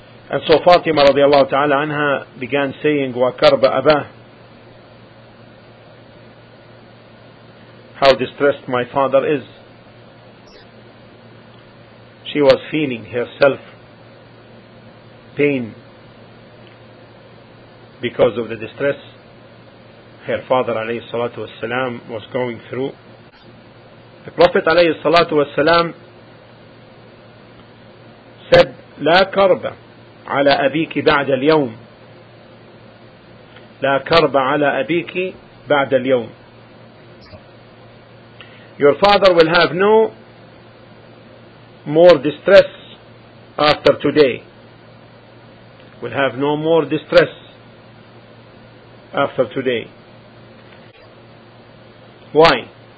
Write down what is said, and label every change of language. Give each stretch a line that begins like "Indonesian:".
English: And so Fatima radiallahu ta'ala anha began saying,
Arabic: وَكَرْبَ أَبَاهُ,
English: how distressed my father is. She was feeling herself pain because of the distress her father alayhi salatu wasalam was going through. The Prophet alayhi salatu wasalam said,
Arabic: لَا كَرْبَ على أبيك بعد اليوم, لا كرب على أبيك بعد اليوم.
English: Your father will have no more distress after today. Will have no more distress after today. Why?